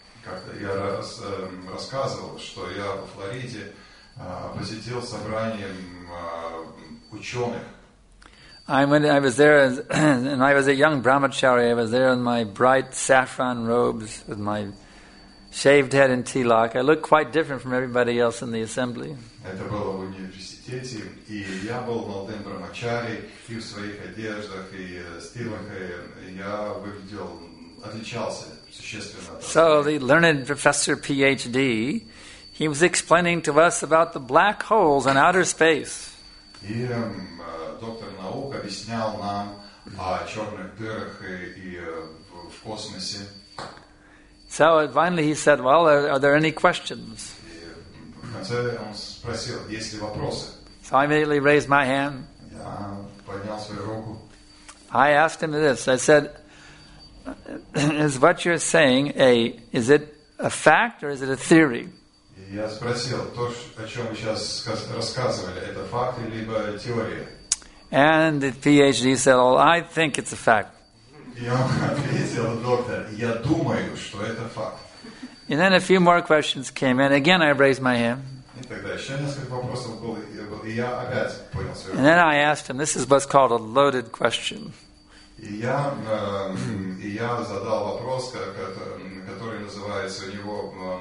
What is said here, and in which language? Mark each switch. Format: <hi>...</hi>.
<ru>Как-то я рассказывал, что я в Флориде посетил собрание ученых.</ru> <en>I was a young brahmachari. I was there in my bright saffron robes with my shaved head and tilak. I looked quite different from everybody else in the assembly.</en> <ru>Это было в университете, и я был молодым брамачари, и в своих одеждах, и стилах, и я выглядел, отличался существенно.</ru> <en>So the learned professor, PhD, he was explaining to us about the black holes in outer space.</en> <ru>И доктор наук объяснял нам о черных дырах и в космосе.</ru> <en>So finally he said, well, are there any questions?</en> <ru>И в конце он спросил, есть ли вопросы?</ru> <en>So I immediately raised my hand.</en> <ru>Я поднял свою руку.</ru> <en>I asked him this. I said, is what you're saying a, is it a fact or is it a theory?</en> <ru>Я спросил, то, о чем вы сейчас рассказывали, это факт либо теория?</ru> <en>And the PhD said, well, I think it's a fact.</en> <ru>И он ответил, доктор, я думаю, что это факт.</ru> <en>And then a few more questions came in. Again, I raised my hand.</en> <ru>И тогда еще несколько вопросов было, и я опять поднял свою руку.</ru> <en>And then I asked him, this is what's called a loaded question.</en> <ru>И я задал вопрос, который называется у него...</ru>